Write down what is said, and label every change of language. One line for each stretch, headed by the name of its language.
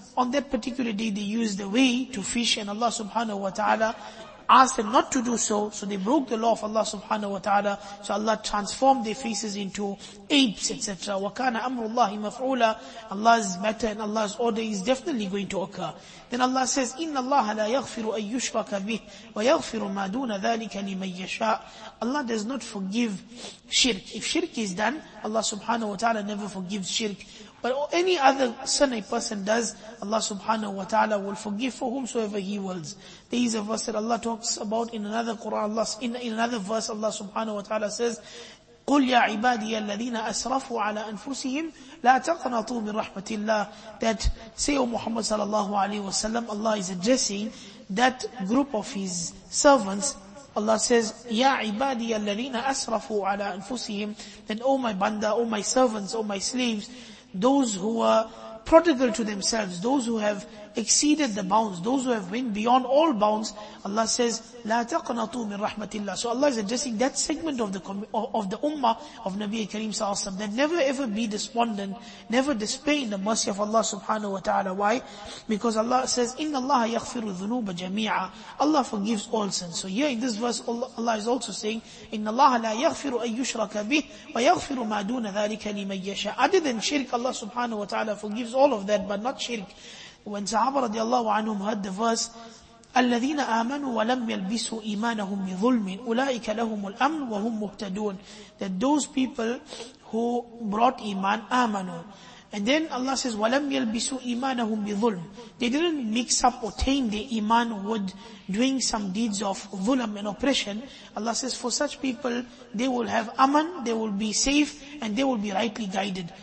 English: On that particular day, they used the way to fish, and Allah subhanahu wa ta'ala asked them not to do so. So they broke the law of Allah subhanahu wa ta'ala. So Allah transformed their faces into apes, etc.
Arabic: وَكَانَ أَمْرُ اللَّهِ مَفْعُولًا.
English: Allah's matter and Allah's order is definitely going to occur. Then Allah says,
Arabic: إِنَّ اللَّهَ لَا يَغْفِرُ أَن يُشْرَكَ بِهِ وَيَغْفِرُ مَا دُونَ ذَلِكَ لِمَن يَشَاءُ.
English: Allah does not forgive shirk. If shirk is done, Allah subhanahu wa ta'ala never forgives shirk. But any other sin a person does, Allah subhanahu wa ta'ala will forgive for whomsoever he wills. There is a verse that Allah talks about in another Quran. In another verse, Allah subhanahu wa ta'ala says,
Arabic: قُلْ يَا عِبَادِيَ الَّذِينَ أَسْرَفُوا عَلَىٰ أَنفُسِهِمْ لَا تَقْنَطُوا مِنْ رَحْمَةِ اللَّهِ.
English: That say, O Muhammad sallallahu alayhi wa sallam, Allah is addressing that group of his servants. Allah says,
Arabic: يَا عِبَادِيَ الَّذِينَ أَسْرَفُوا عَلَىٰ أَنفُسِهِمْ.
English: Then, O my banda, O my servants, O my slaves, those who are prodigal to themselves, those who have exceeded the bounds, those who have went beyond all bounds, Allah says,
Arabic: لَا تَقْنَطُوا مِنْ رَحْمَةِ اللَّهِ.
English: So Allah is addressing that segment of the ummah of Nabi Kareem sallallahu alaihi wasallam, that never ever be despondent, never despair in the mercy of Allah subhanahu wa ta'ala. Why? Because Allah says,
Arabic: إِنَّ اللَّهَ يَغْفِرُ ذُنُوبَ جَمِيعًا.
English: Allah forgives all sins. So here in this verse, Allah is also saying,
Arabic: إِنَّ اللَّهَ لَا يَغْفِرُ أَن يُشْرَكَ بِهِ وَيَغْفِرُ مَا دُونَ ذَلِكَ لِمَن يَشَاءُ.
English: Other than shirk, Allah subhanahu wa ta'ala forgives all of that, but not shirk. When Sahaba radiallahu anhum heard the verse,
Arabic: الذين آمنوا ولم يلبسوا إيمانهم بظلم أولئك لهم الأمن وهم مهتدون.
English: That those people who brought iman,
Arabic: آمنوا.
English: And then Allah says,
Arabic: ولم يلبسوا إيمانهم بظلم.
English: They didn't mix up or taint their iman with doing some deeds of ظلم and oppression. Allah says, for such people, they will have aman, they will be safe, and they will be rightly guided.